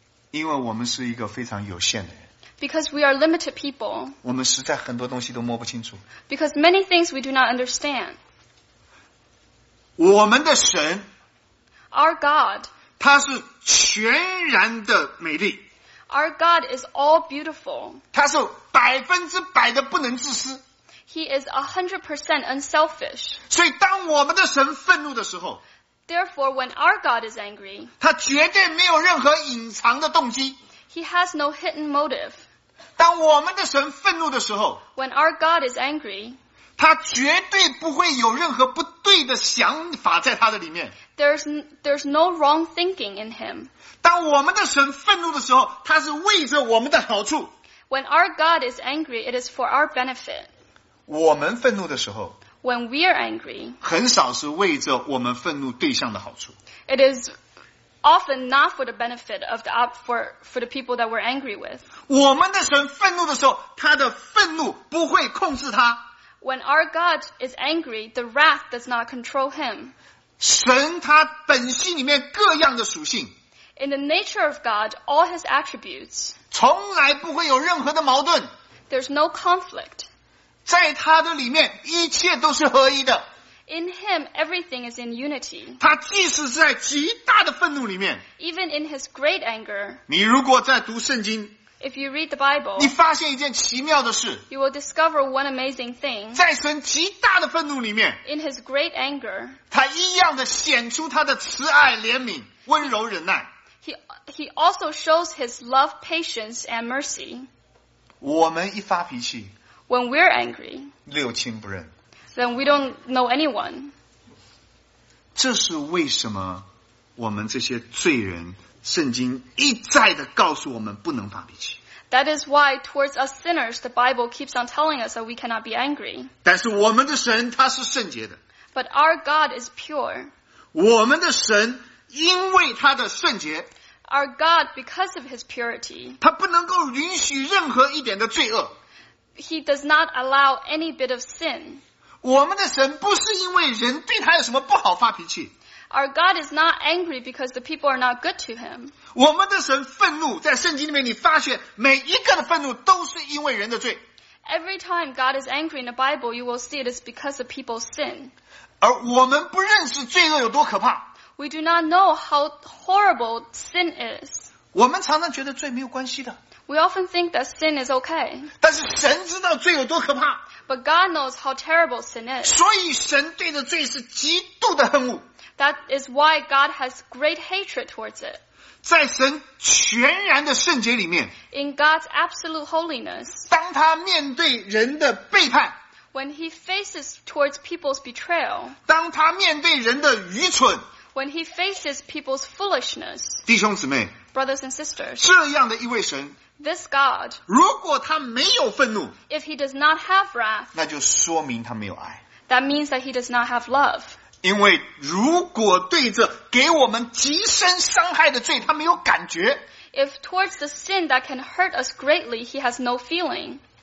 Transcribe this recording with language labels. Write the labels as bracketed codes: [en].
[zh] 因为我们是一个非常有限的人 [en] Because we are limited people. [zh] 我们实在很多东西都摸不清楚 [en] Because many things we do not understand. [zh] 我们的神 [en] Our God [zh] 他是全然的美丽 [en] Our God is all beautiful. [zh] 他是百分之百的不能自私 [en] He is 100% unselfish. [zh] 所以当我们的神愤怒的时候 [en] Therefore, when our God is angry, [zh] 他绝对没有任何隐藏的动机 [en] He has no hidden motive. [zh] 当我们的神愤怒的时候 [en] When our God is angry, [zh] 他绝对不会有任何不对的想法在他的里面 [en] There's no wrong thinking in him. [zh] 当我们的神愤怒的时候他是为着我们的好处 [en] When our God is angry, it is for our benefit. [zh] 我们愤怒的时候 [en] When we are angry, [zh] 很少是为着我们愤怒对象的好处 [en] It is often not for the benefit of the people that we're angry with. [zh] 我们的神愤怒的时候他的愤怒不会控制他 [en] When our God is angry, the wrath does not control him. [zh] 神他本性里面各样的属性 [en] In the nature of God, all his attributes, [zh] 从来不会有任何的矛盾 [en] There's no conflict. [zh] 在他的里面一切都是合一的 [en] In him everything is in unity [zh] 他即使在极大的愤怒里面 [en] Even in his great anger [zh] 你如果在读圣经 [en] If you read the Bible [zh] 你发现一件奇妙的事 [en] You will discover one amazing thing [zh] 在神极大的愤怒里面 [en] In his great anger [zh] 他一样的显出他的慈爱怜悯温柔忍耐 [en] He also shows his love patience and mercy [zh] 我们一发脾气 [en] When we're angry, [zh] 六亲不认 [en] then we don't know anyone. [zh] 这是为什么我们这些罪人圣经一再地告诉我们不能发脾气 [en] That is why towards us sinners, the Bible keeps on telling us that we cannot be angry. [zh] 但是我们的神他是圣洁的 [en] But our God is pure. [zh] 我们的神因为他的圣洁 [en] Our God, because of his purity, [zh] 他不能够允许任何一点的罪恶 [en] He does not allow any bit of sin. [zh] 我们的神不是因为人对他有什么不好发脾气。 [en] Our God is not angry because the people are not good to him. [zh] 我们的神愤怒，在圣经里面你发现每一个的愤怒都是因为人的罪。 [en] Every time God is angry in the Bible, you will see it is because of people's sin. [zh] 而我们不认识罪恶有多可怕。 [en] We do not know how horrible sin is. [zh] 我们常常觉得罪没有关系的。 [en] We often think that sin is okay. [zh] 但是神知道罪有多可怕。 [en] But God knows how terrible sin is. [zh] 所以神对着罪是极度的恨恶。 [en] That is why God has great hatred towards it. [zh] 在神全然的圣洁里面。 [en] In God's absolute holiness. [zh] 当他面对人的背叛。 [en] When he faces towards people's betrayal. [zh] 当他面对人的愚蠢。 [en] When he faces people's foolishness. [zh] 弟兄姊妹。 [en] Brothers and sisters. [zh] 这样的一位神。 [en] This God. [zh] 如果他没有愤怒。 [en] If he does not have wrath. [zh] 那就说明他没有爱。 [en] That means that he does not have love. [zh] 因为如果对着给我们极深伤害的罪他没有感觉 [en] If towards the sin that can hurt us greatly he has no feeling